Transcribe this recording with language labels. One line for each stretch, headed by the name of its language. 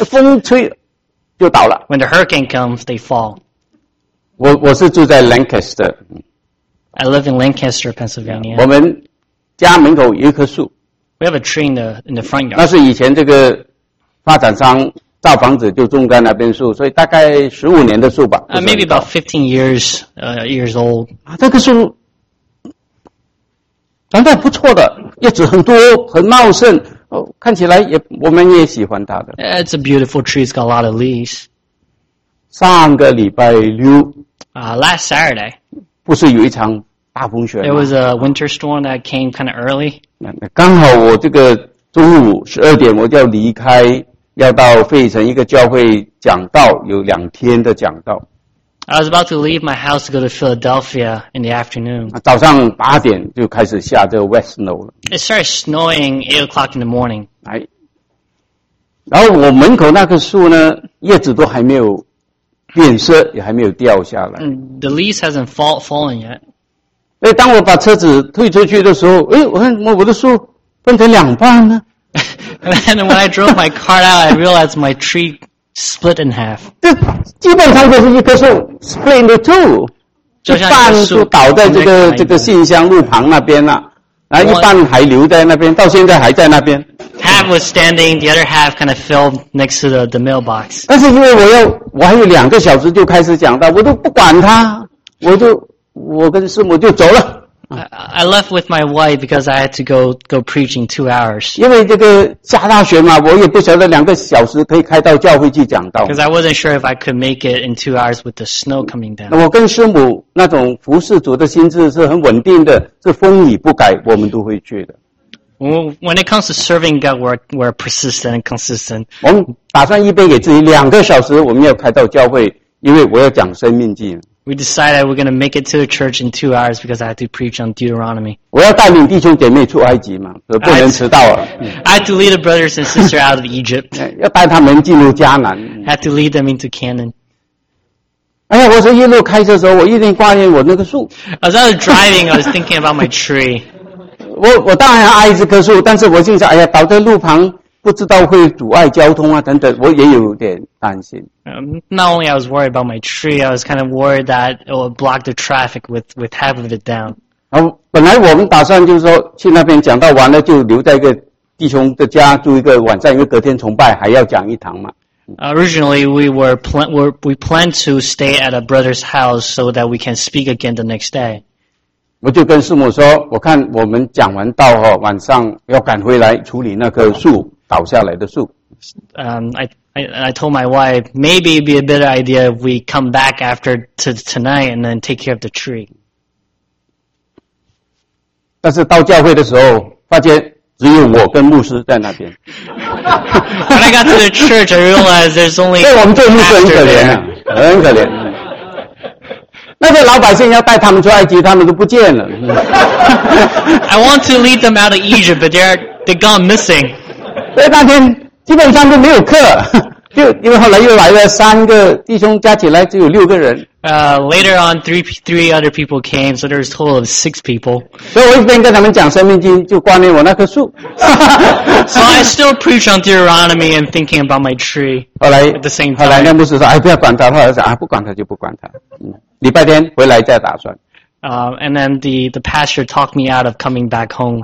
Chinese: 风吹就倒了。
English: When the hurricane comes, they fall.
Chinese: 我是住在 Lancaster.
English: I live in Lancaster, Pennsylvania.
Chinese: 我们家门口有一棵树。
English: We have a tree in the front yard.
Chinese: 那是以前这个发展商。造房子就种在那边树，所以大概15年的树吧。
English: Maybe about 15 years old.
Chinese: 这个树长得不错的，叶子很多，很茂盛，看起来也我们也喜欢它的。
English: It's a beautiful tree. It's got a lot of leaves.
Chinese: 上个礼拜六
English: last Saturday,
Chinese: 不是有一场大风雪吗？
English: There was a winter storm that came kind of early.
Chinese: 刚好我这个中午12点我就要离开。要到费城一个教会讲道，有两天的讲道。
English: I was about to leave my house to go to Philadelphia in the afternoon.
Chinese: 早上八点就开始下这个
English: wet snow
Chinese: 了。
English: It started snowing 8 o'clock in the morning.
Chinese: 然后我门口那棵树呢，叶子都还没有变色，也还没有掉下来。
English: The leaves hasn't fallen yet.
Chinese: 哎，当我把车子推出去的时候，哎，我看我的树分成两半呢。
English: And then when I drove my car out, I realized my tree split in half.
Chinese: 这基本上就是一棵树
English: split into two.
Chinese: 就像一半倒在这个信箱路旁那边了，然后一半还留在那边，到现在还在那边。
English: Half was standing, the other half kind of fell next to the mailbox.
Chinese: 但是因为我还有两个小时就开始讲到，我都不管它，我跟师母就走了。
English: I left with my wife because I had to go preach in 2 hours.
Chinese: 因为这个下大雪嘛，我也不晓得两个小时可以开到教会去讲道。
English: Because I wasn't sure if I could make it in 2 hours with the snow coming down.
Chinese: 我跟师母那种服侍主的心智是很稳定的，是风雨不改，我们都会去的。
English: When it comes to serving God, we're persistent and consistent.
Chinese: 我们打算一边给自己两个小时，我们要开到教会，因为我要讲生命记。
English: We decided we're going to make it to the church in 2 hours because I had to preach on Deuteronomy.
Chinese: 我要带领弟兄姐妹出埃及嘛，不能迟到了。
English: I had to lead the brothers and sisters out of Egypt.
Chinese: 要带他们进入迦南。
English: I had to lead them into Canaan.
Chinese: 哎，我说一路开车的时候，我一定挂念我那个树。
English: As I was driving, I was thinking about my tree.
Chinese: 我当然爱这棵树，但是我心想，哎呀，倒在路旁。不知道会阻碍交通啊等等，我也有点担心。
English: Not only I was worried about my tree, I was kind of worried that it would block the traffic with half of it down.
Chinese: 然后本来我们打算就是说去那边讲到完了就留在一个弟兄的家住一个晚上，因为隔天崇拜还要讲一堂嘛。
English: Originally we planned to stay at a brother's house so that we can speak again the next day.
Chinese: 我就跟师母说，我看我们讲完道哈，晚上要赶回来处理那棵树。倒下来的树。
English: I told my wife maybe it'd be a better idea if we come back after tonight and then take care of the tree.
Chinese: 但是到教会的时候，发现只有我跟牧师在那边。
English: When I got to the church, I realized there's only.
Chinese: 对我们做牧师很可怜啊，很可怜。那些老百姓要带他们出埃及，他们都不见了。
English: I want to lead them out of Egypt, but they're gone missing.
Chinese: 所以那天基本上都没有课，就因为后来又来了三个弟兄，加起来只有六个人。
English: Later on, three other people came, so there's a total of six people.
Chinese: 所以我一边跟他们讲生命经，就挂念我那棵树。
English: So I still preach on Deuteronomy and thinking about my tree.
Chinese: 后来
English: at the same time.
Chinese: 后来那牧师说：“哎，不要管他。” 后来说：“啊，不管他就不管他。” 礼拜天回来再打算。
English: And then the pastor talked me out of coming back home.